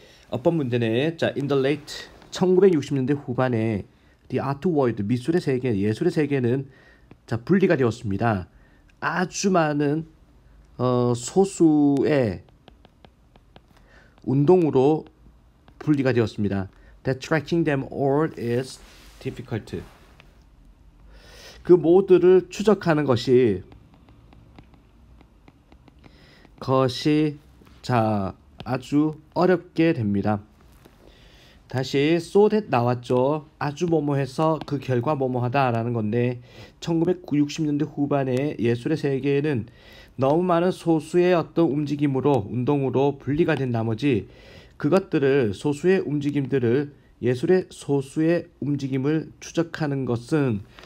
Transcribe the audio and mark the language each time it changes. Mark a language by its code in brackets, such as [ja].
[ko] 어떤 문제네. 자, [en] in the late [ko] 1960년대 후반에 [en] the art world [ko] 미술의 세계, 예술의 세계는 자, 분리가 되었습니다. 아주 많은 소수의 운동으로 분리가 되었습니다. [en] Detracting them all is difficult. [ko] 그 모두를 추적하는 것이 것이 자 아주 어렵게 됩니다. 다시 [en] so that [ko] 나왔죠. 아주 뭐뭐해서 그 결과 뭐뭐하다라는 건데 1960년대 후반에 예술의 세계에는 너무 많은 소수의 어떤 움직임으로 운동으로 분리가 된 나머지 그것들을 소수의 움직임들을 예술의 소수의 움직임을 추적하는 것은